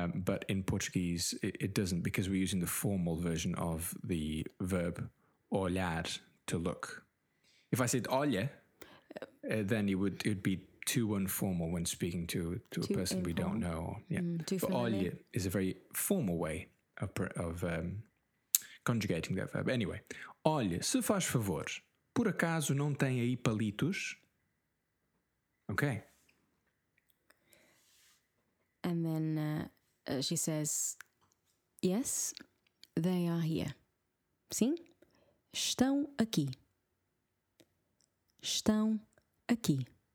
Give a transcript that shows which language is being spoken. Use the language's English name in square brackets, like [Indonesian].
[English] But in Portuguese, it doesn't, because we're using the formal version of the verb olhar, to look. If I said olha, then it would be too informal when speaking to a person informal. We don't know. Yeah. But olha is a very formal way of conjugating that verb. [Portuguese] Anyway, olha, se faz favor, por acaso não tem aí palitos? [English] Okay. And then she says, yes, they are here. [Portuguese] Sim, estão aqui. Estão aqui.